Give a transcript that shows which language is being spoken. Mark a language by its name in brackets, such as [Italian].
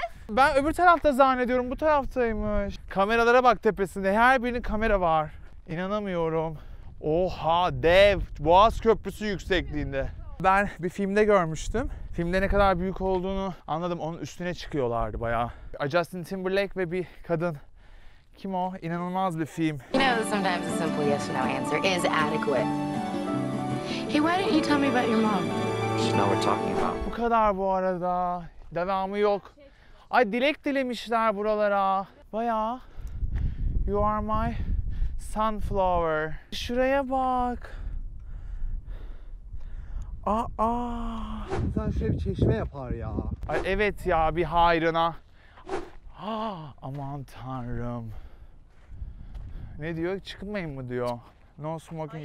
[Turkish] Ben öbür tarafta zannediyorum, bu taraftaymış. Kameralara bak tepesinde, her birinin kamera var. İnanamıyorum. Oha, dev. Boğaz Köprüsü yüksekliğinde. Ben bir filmde görmüştüm. Filmde ne kadar büyük olduğunu anladım. Onun üstüne çıkıyorlardı bayağı. Justin Timberlake ve bir kadın. Kim o? İnanılmaz bir film. [English] You know, sometimes a simple yes or no answer is adequate. Hey, why didn't you tell me about your mom? She's not we're talking about. [Turkish] Bu kadar bu arada. Devamı yok. Ay, dilek dilemişler buralara. Bayağı. [English] You are my sunflower. [Turkish] Şuraya bak. Aa, sen şöyle bir çeşme yapar ya. Ay, evet ya, bir hayrına. Aa, aman tanrım. Ne diyor? Çıkmayın mı diyor? [English] No smoking.